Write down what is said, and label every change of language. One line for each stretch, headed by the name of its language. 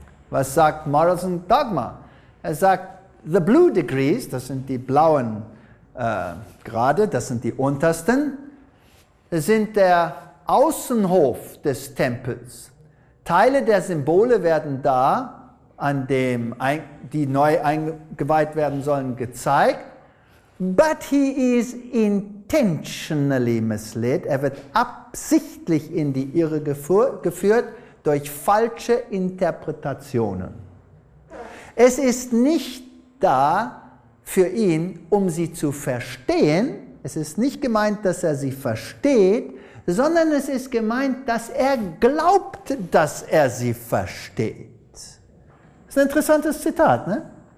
German: Was sagt Morals and Dogma? Er sagt,
English: the blue degrees,
German: das sind die blauen gerade, das sind die untersten, sind der Außenhof des Tempels. Teile der Symbole werden da, an dem die neu eingeweiht werden sollen, gezeigt.
English: But he is intentionally misled.
German: Er wird absichtlich in die Irre geführt durch falsche Interpretationen. Es ist nicht da, für ihn, um sie zu verstehen. Es ist nicht gemeint, dass er sie versteht, sondern es ist gemeint, dass er glaubt, dass er sie versteht. Das ist ein interessantes Zitat, ne?